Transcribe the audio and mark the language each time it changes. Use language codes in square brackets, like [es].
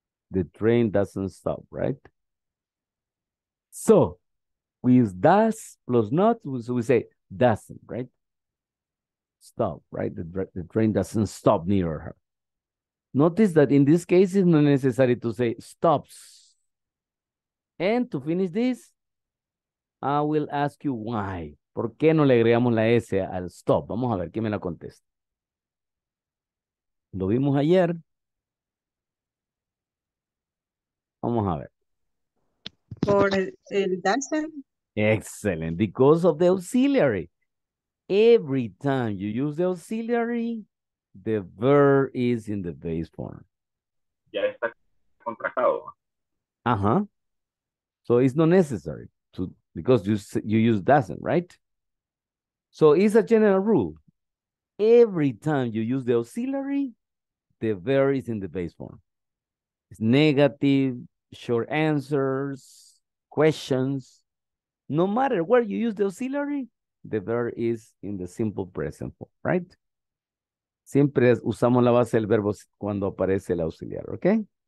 [en] The train doesn't stop, right? So we use does plus not, so we say doesn't, right? Stop, right? The train doesn't stop near her. Notice that in this case, it's not necessary to say stops. And to finish this, I will ask you why. [es] ¿Por qué no le agregamos la S al stop? Vamos a ver, ¿quién me la contesta? Lo vimos ayer. Vamos a ver. Por el doesn't. [en] Excellent. Because of the auxiliary. Every time you use the auxiliary, the verb is in the base form. [es] Ya está contratado. Ajá. [en] So it's not necessary to, because you use doesn't, right? So it's a general rule. Every time you use the auxiliary, the verb is in the base form. It's negative, short answers, questions. No matter where you use the auxiliary, the verb is in the simple present form, right? [es] Siempre usamos la base del verbo cuando aparece el auxiliar, okay?